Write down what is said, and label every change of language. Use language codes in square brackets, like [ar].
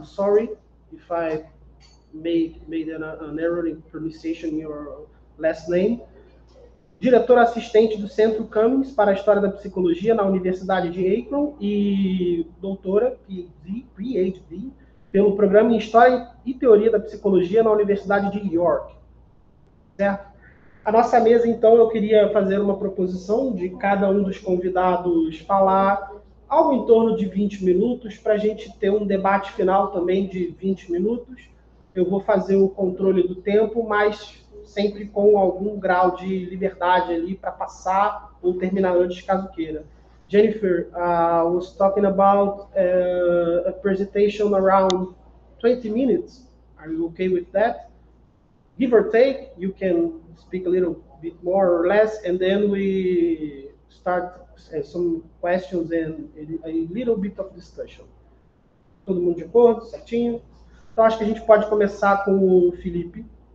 [en] I'm sorry if I made an error in pronunciation in your last name. [pt] Diretora assistente do Centro Cummings para a História da Psicologia na Universidade de Akron e doutora PhD pelo Programa em História e Teoria da Psicologia na Universidade de York. Certo? A nossa mesa, então, eu queria fazer uma proposição de cada um dos convidados falar algo em torno de 20 minutos, para a gente ter um debate final também de 20 minutos. Eu vou fazer o controle do tempo, mas sempre com algum grau de liberdade ali para passar ou terminar antes, caso queira. [en] Jennifer, was talking about a presentation around 20 minutes. Are you okay with that? Give or take, you can speak a little bit more or less, and then we start some questions and a little bit of discussion. [pt] Todo mundo de acordo, certinho? Então, acho que a gente pode começar com o Felipe.